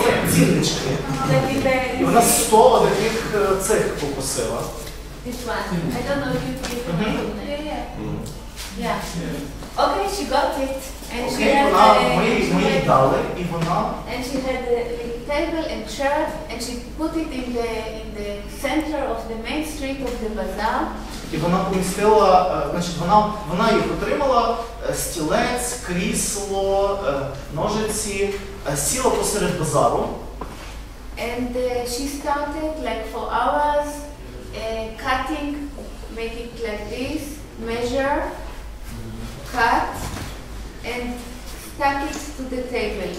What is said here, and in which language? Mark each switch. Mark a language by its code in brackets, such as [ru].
[uk] Цінечки. І вона 100 таких цих попросила. [en] This one. I don't know if you can read it. Yeah. Okay, she got it. And she had [uk] дали, і вона... [en] And she had the table and chair, and she put it in the center of the main street of the bazaar. [uk] І вона помістила, значить, вона їх отримала, стілець, крісло, ножиці, сіла посеред базару. [en] And she started like for hours cutting, make it like this, measure, cut, and stuck it to the table.